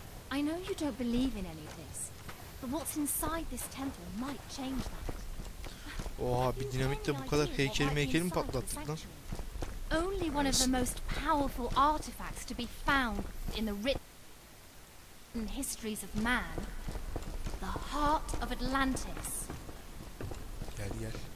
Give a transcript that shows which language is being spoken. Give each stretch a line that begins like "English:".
English: I know you don't believe in any of this, but what's inside this temple might change that.
Turkish: Oha, bir dinamitle bu kadar heykeli mi patlattık lan?
English: Only one of the most powerful artifacts to be found in the written histories of man, the heart of Atlantis.
Turkish: Gel gel.